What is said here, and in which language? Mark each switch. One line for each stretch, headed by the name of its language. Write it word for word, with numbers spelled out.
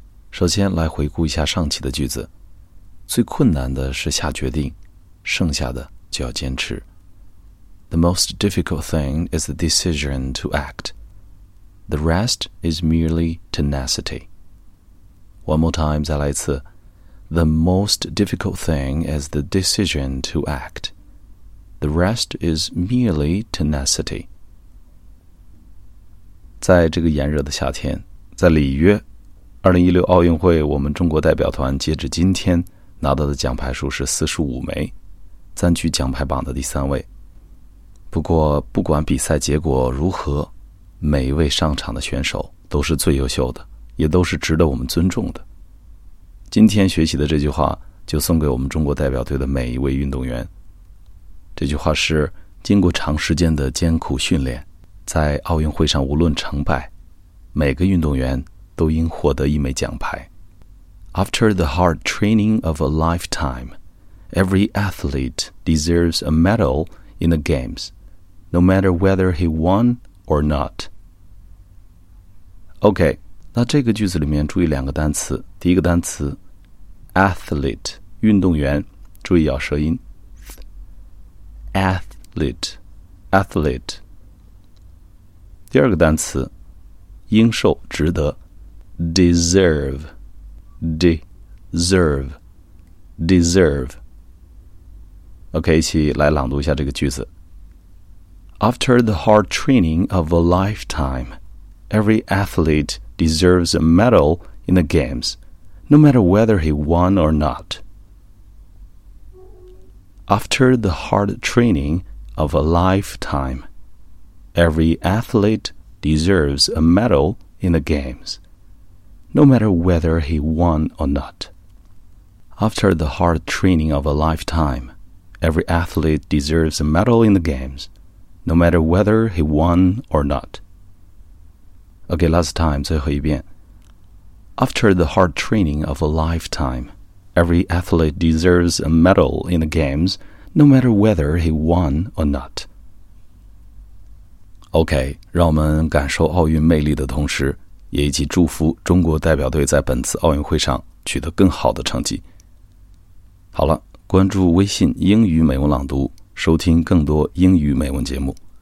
Chinese: 首先来回顾一下上期的句子，最困难的是下决定，剩下的就要坚持。
English: The most difficult thing is the decision to act. The rest is merely tenacity. One more time,
Chinese: 再来一次。
English: The most difficult thing is the decision to act. The rest is merely tenacity.
Chinese: 在这个炎热的夏天，在里约二零一六奥运会，我们中国代表团截至今天拿到的奖牌数是四十五枚，暂居奖牌榜的第三位。不过不管比赛结果如何，每一位上场的选手都是最优秀的，也都是值得我们尊重的。今天学习的这句话就送给我们中国代表队的每一位运动员。这句话是经过长时间的艰苦训练，在奥运会上无论成败，每个运动员都应获得一枚奖牌。
English: After the hard training of a lifetime, every athlete deserves a medal in the games, no matter whether he won or not.
Chinese: OK, 那这个句子里面注意两个单词，第一个单词 athlete 运动员，注意咬舌音Athlete, athlete. 第二个单词，应受，值得 ，deserve, deserve, deserve. OK, 一起来朗读一下这个句子。
English: After the hard training of a lifetime, every athlete deserves a medal in the games, no matter whether he won or not. After the hard training of a lifetime, every athlete deserves a medal in the games, no matter whether he won or not. After the hard training of a lifetime, every athlete deserves a medal in the games, no matter whether he won or not. Okay, last time,
Chinese: 最后一遍.
English: After the hard training of a lifetime,Every athlete deserves a medal in the games, no matter whether he won or not.
Chinese: OK, 让我们感受奥运魅力的同时，也一起祝福中国代表队在本次奥运会上取得更好的成绩。好了，关注微信英语美文朗读，收听更多英语美文节目。